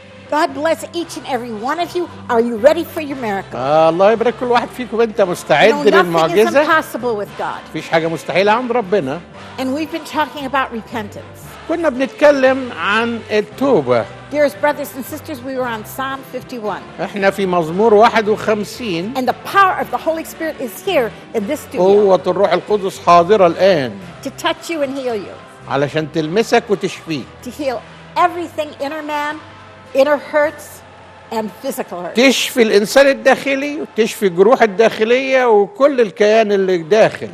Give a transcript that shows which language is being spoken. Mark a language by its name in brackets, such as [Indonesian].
[English] God bless each and every one of you. Are you ready for your miracle? [Arabic] الله يبارك كل واحد فيكم انت مستعد للمعجزة. [English] Nothing is impossible with God. [Arabic] مفيش حاجة مستحيلة عند ربنا. [English] And we've been talking about repentance. [Arabic] كنا بنتكلم عن التوبة. [English] Dearest brothers and sisters, we were on Psalm 51. [Arabic] احنا في مزمور 51. [English] And the power of the Holy Spirit is here in this studio. [Arabic] قوة الروح القدس حاضرة الآن. [English] To touch you and heal you. [Arabic] علشان تلمسك وتشفيك. [English] To heal everything inner man, inner hurts, and physical hurts. [Arabic] تشفي الإنسان الداخلي وتشفي الجروح الداخلية وكل الكيان اللي داخل.